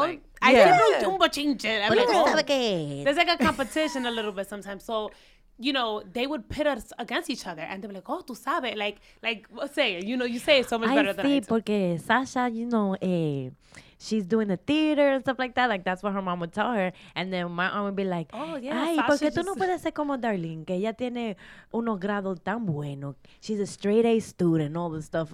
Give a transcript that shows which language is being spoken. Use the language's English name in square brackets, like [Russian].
[English] like, I can't do [Spanish] un bochinche. [English] There's like a competition a little bit sometimes. So, you know, they would pit us against each other, and they'd be like, "Oh, [Spanish] tú sabes." [English] Like say it. You know, you say it so much better than I do. [Spanish] Porque [English] Sasha, you know, she's doing the theater and stuff like that. Like, that's what her mom would tell her. And then my aunt would be like, "Oh, yeah, [Spanish] ay, Sasha, porque tú no puedes ser como Darlene, que ella tiene unos grados tan buenos. [English] She's a straight A student, all this stuff."